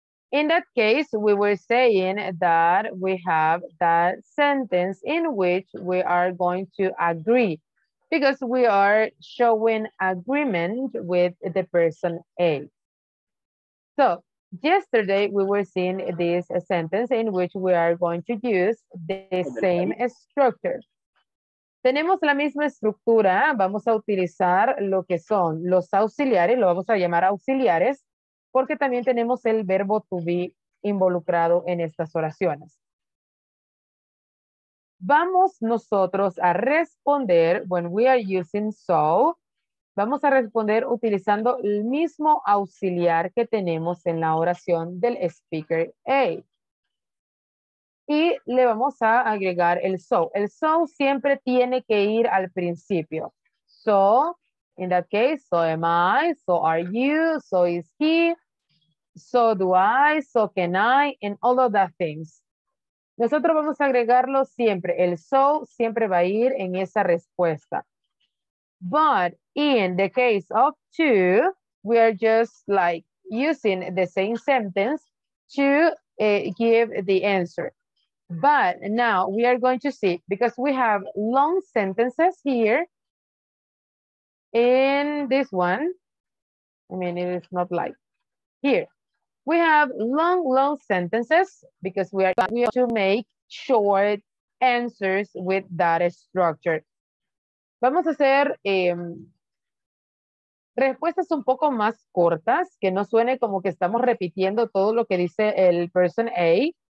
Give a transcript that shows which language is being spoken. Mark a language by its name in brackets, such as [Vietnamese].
[English] In that case, we were saying that we have that sentence in which we are going to agree because we are showing agreement with the person A. So yesterday we were seeing this sentence in which we are going to use the same structure. [Spanish] Tenemos la misma estructura, vamos a utilizar lo que son los auxiliares, lo vamos a llamar auxiliares, porque también tenemos el verbo to be involucrado en estas oraciones. Vamos nosotros a responder, [English] when we are using so, [Spanish] vamos a responder utilizando el mismo auxiliar que tenemos en la oración del speaker A. Y le vamos a agregar el so. El so siempre tiene que ir al principio. [English] So, in that case, so am I, so are you, so is he, so do I, so can I, and all of that things. [Spanish] Nosotros vamos a agregarlo siempre. El so siempre va a ir en esa respuesta. [English] But in the case of to, we are just like using the same sentence to give the answer. But now we are going to see, because we have long sentences here in this one. I mean, it is not like here. We have long sentences because we are to make short answers with that structure. [Spanish] Vamos a hacer respuestas un poco más cortas, que no suene como que estamos repitiendo todo lo que dice el person A.